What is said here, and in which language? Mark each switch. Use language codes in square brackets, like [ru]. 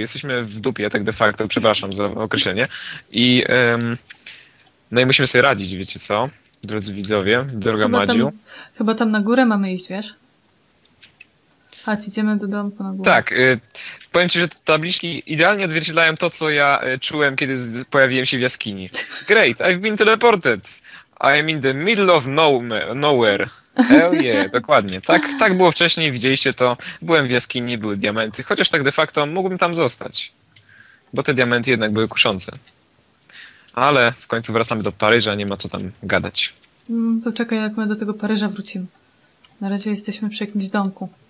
[pl] Jesteśmy w dupie, tak de facto. Przepraszam za określenie. I no i musimy sobie radzić, wiecie co? Drodzy widzowie, droga Madziu. Chyba tam na górę mamy iść, wiesz? Chodź, idziemy do domu na górę. Tak. Powiem ci, że te tabliczki idealnie odzwierciedlają to, co ja czułem, kiedy pojawiłem się w jaskini. [en] Great, I've been teleported. I am in the middle of nowhere. Hell yeah, dokładnie. [pl] Tak, tak było wcześniej, widzieliście to. Byłem w jaskini, były diamenty. Chociaż tak de facto mógłbym tam zostać. Bo te diamenty jednak były kuszące. Ale w końcu wracamy do Paryża, nie ma co tam gadać. Poczekaj, jak my do tego Paryża wrócimy. Na razie jesteśmy przy jakimś domku.